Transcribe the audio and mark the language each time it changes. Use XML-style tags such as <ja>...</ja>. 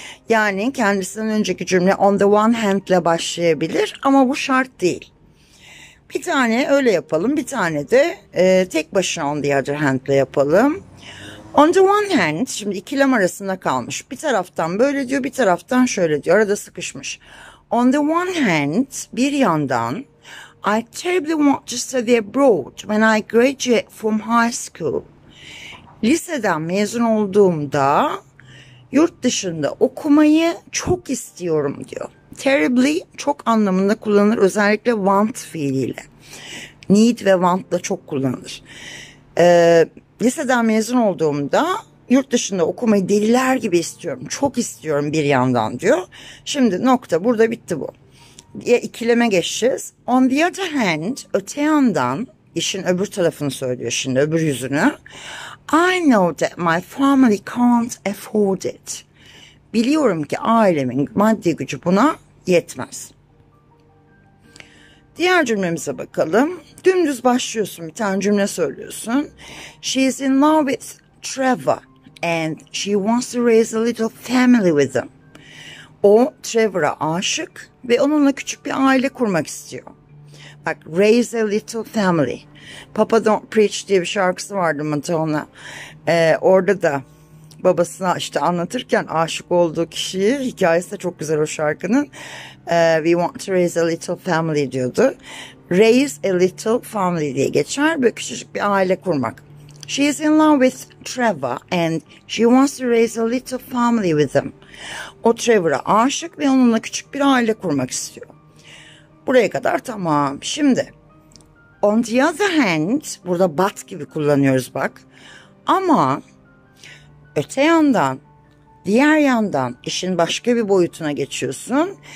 <tr>Yani kendisinden önceki cümle on the one hand ile başlayabilir ama bu şart değil. Bir tane öyle yapalım, bir tane de tek başına on the other hand ile yapalım. On the one hand, şimdi ikilem arasında kalmış. Bir taraftan böyle diyor, bir taraftan şöyle diyor. Arada sıkışmış.</tr> <en>On the one hand,</en> <tr>bir yandan,</tr> <en>I terribly want to study abroad when I graduate from high school.</en> <tr>Liseden mezun olduğumda yurt dışında okumayı çok istiyorum diyor. Terribly çok anlamında kullanılır, özellikle want fiiliyle. Need ve want da çok kullanılır. Liseden mezun olduğumda yurt dışında okumayı deliler gibi istiyorum, çok istiyorum bir yandan diyor. Şimdi nokta, burada bitti bu. Ya ikileme geçeceğiz. On the other hand, öte yandan, işin öbür tarafını söylüyor şimdi, öbür yüzünü.</tr> <en>I know that my family can't afford it.</en> <tr>Biliyorum ki ailemin maddi gücü buna yetmez. Diğer cümlemize bakalım. Dümdüz başlıyorsun, bir tane cümle söylüyorsun.</tr> <en>She is in love with Trevor and she wants to raise a little family with him.</en> <tr>O Trevor'a aşık ve onunla küçük bir aile kurmak istiyor. Bak,</tr> <en>raise a little family.</en> <tr>Papa Don't Preach diye bir şarkısı vardı Madonna. Orada da babasına işte anlatırken aşık olduğu kişiyi, hikayesi de çok güzel o şarkının.</tr> <en>We want to raise a little family</en> <tr>diyordu.</tr> <en>Raise a little family</en> <tr>diye geçer. Böyle küçücük bir aile kurmak.</tr> <en>She is in love with Trevor and she wants to raise a little family with him.</en> <tr>O Trevor'a aşık ve onunla küçük bir aile kurmak istiyor. Buraya kadar tamam. Şimdi On the other hand, burada but gibi kullanıyoruz bak. Ama öte yandan, diğer yandan işin başka bir boyutuna geçiyorsun.</tr>